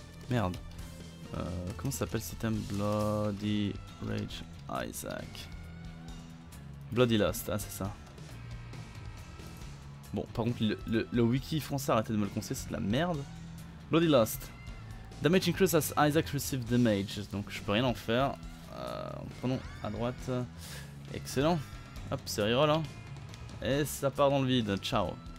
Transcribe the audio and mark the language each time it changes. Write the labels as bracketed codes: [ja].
[fr] Merde. Comment s'appelle cet item? Bloody Rage Isaac. Bloody Lost, ah, c'est ça. Bon, par contre, le wiki français a arrêté de me le conseiller, c'est de la merde. Bloody Lost. [en] Damage increase as Isaac receives damage. [fr] Donc, je peux rien en faire. Prenons à droite. Excellent. Hop, c'est reroll. Hein. Et ça part dans le vide. Ciao.